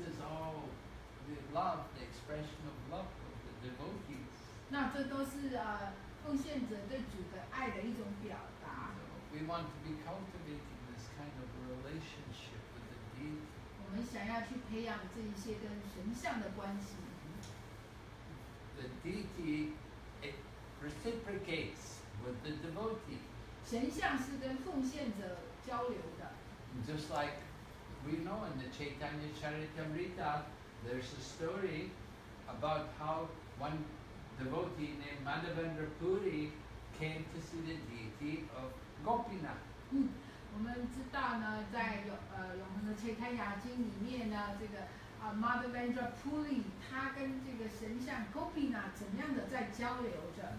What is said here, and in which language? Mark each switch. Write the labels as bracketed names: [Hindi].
[English] is all the love, the expression of love of the devotees. [Chinese] 那这都是奉献者对主的爱的一种表达。 [English] We want to be cultivating this kind of relationship with the deity. [Chinese] 我们想要去培养这一些跟神像的关系。 [English] The deity it reciprocates with the devotee. [Chinese] 神像是跟奉献者交流的。 [English] Just like we know in the Chaitanya Charitamrita, there's a story about how one devotee named Madhavendra Puri came to see the deity of Gopinath. [Chinese] 我们知道呢，在永恒的《切开牙经》里面呢，这个Madhavendra Puri 他跟这个神像 Gopinath 怎么样的在交流着。